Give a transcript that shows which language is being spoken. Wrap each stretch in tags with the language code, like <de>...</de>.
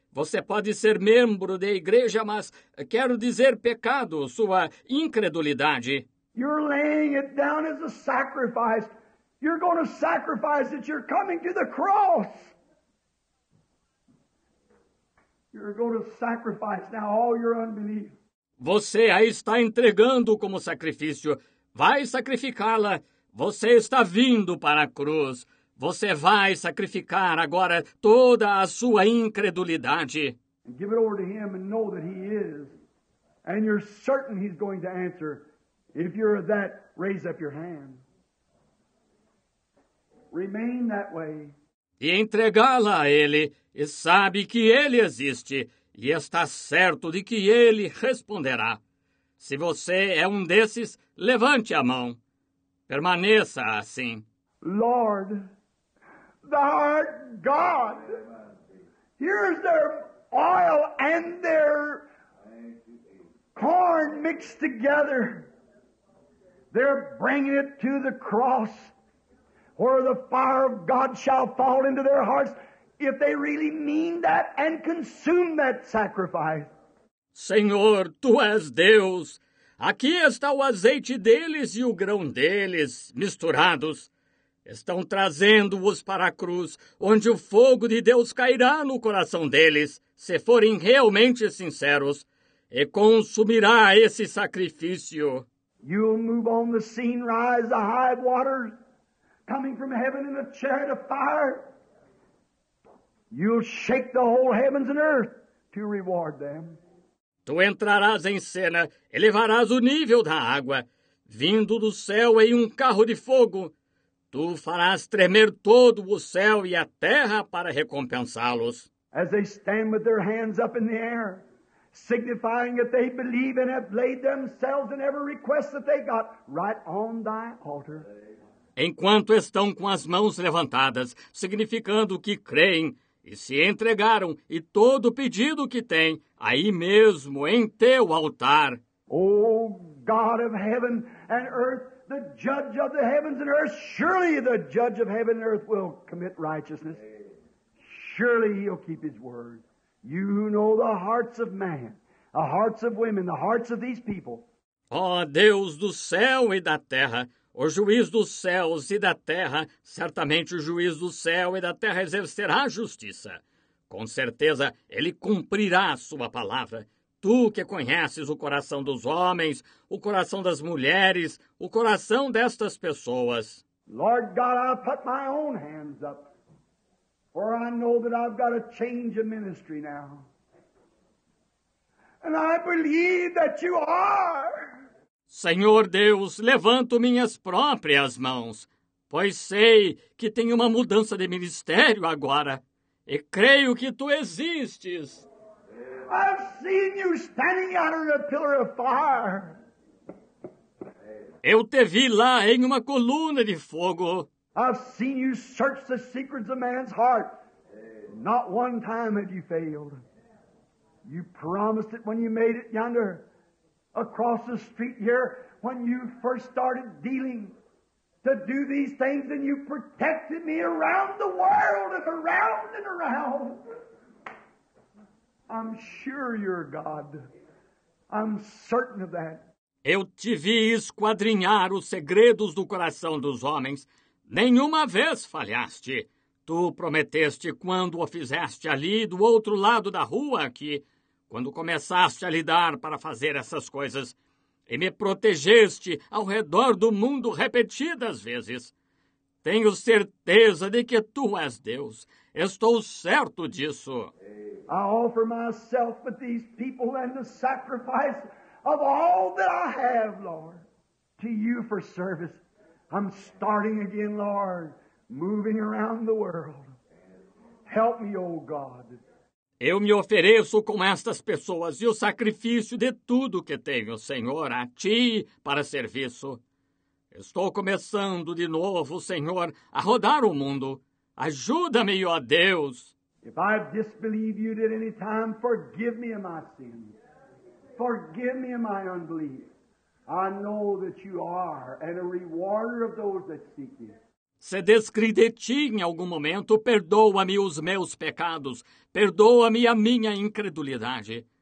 <pt>Você pode ser membro da igreja, mas quero dizer pecado, sua incredulidade.</pt> <en>You're laying it down as a sacrifice. You're going to sacrifice it. You're coming to the cross. You're going to sacrifice now all your unbelief.</en> <pt>Você a está entregando como sacrifício. Vai sacrificá-la. Você está vindo para a cruz. Você vai sacrificar agora toda a sua incredulidade.</pt> <en>And give it over to him and know that he is. And you're certain he's going to answer. If you're that, raise up your hand. Remain that way.</en> <pt>E entregá-la a ele, e sabe que ele existe, e está certo de que ele responderá. Se você é um desses, levante a mão. Permaneça assim.</pt> <en>Lord, thou art God. Here's their oil and their corn mixed together. They're bringing it to the cross where the fire of God shall fall into their hearts if they really mean that and consume that sacrifice.</en> <pt>Senhor, Tu és Deus. Aqui está o azeite deles e o grão deles misturados. Estão trazendo-os para a cruz, onde o fogo de Deus cairá no coração deles, se forem realmente sinceros, e consumirá esse sacrifício.</pt> <en>You'll move on the scene, rise the high waters, coming from heaven in a chariot of fire. You'll shake the whole heavens and earth to reward them.</en> <pt>Tu entrarás em cena, elevarás o nível da água, vindo do céu em um carro de fogo. Tu farás tremer todo o céu e a terra para recompensá-los.</pt> <en>As they stand with their hands up in the air, signifying that they believe and have laid themselves in every request that they got right on thy altar.</en> <pt>Enquanto estão com as mãos levantadas, significando que creem, e se entregaram, e todo o pedido que têm, aí mesmo em teu altar.</pt> <en>Oh, God of heaven and earth, the judge of the heavens and earth, surely the judge of heaven and earth will commit righteousness. Surely he'll keep his word. You who know the hearts of man, the hearts of women, the hearts of these people.</en> <pt>Oh, Deus do céu e da terra, o juiz dos céus e da terra, certamente o juiz do céu e da terra exercerá justiça. Com certeza, ele cumprirá a sua palavra. Tu que conheces o coração dos homens, o coração das mulheres, o coração destas pessoas.</pt> <en>Lord God, I put my own hands up, for I know that I've got a change of ministry now. And I believe that you are.</en> <pt>Senhor Deus, levanto minhas próprias mãos, pois sei que tenho uma mudança de ministério agora, e creio que Tu existes.</pt> <en>I've seen you standing out on a pillar of fire.</en> <pt>Eu te vi lá em uma coluna de fogo.</pt> <en>I've seen you search the secrets of man's heart. Not one time have you failed. You promised it when you made it yonder. Across the street here, when you first started dealing to do these things, and you protected me around the world and around. I'm sure you're God. I'm certain of that.</en> <pt>Eu te vi esquadrinhar os segredos do coração dos homens. Nenhuma vez falhaste. Tu prometeste quando o fizeste ali do outro lado da rua aqui. Quando começaste a lidar para fazer essas coisas e me protegeste ao redor do mundo repetidas vezes, tenho certeza de que Tu és Deus. Estou certo disso.</pt> <en>I offer myself with these people and the sacrifice of all that I have, Lord, to you for service. I'm starting again, Lord, moving around the world. Help me, O God.</en> <pt>Eu me ofereço com estas pessoas e o sacrifício de tudo que tenho, Senhor, a Ti para serviço. Estou começando de novo, Senhor, a rodar o mundo. Ajuda-me, ó Deus.</pt> <en>If I disbelieve you at any time, forgive me of my sins. Forgive me of my unbelief. I know that you are and a rewarder of those that seek you.</en> <pt>Se descrever de Ti em algum momento, perdoa-me os meus pecados, perdoa-me a minha incredulidade.</pt>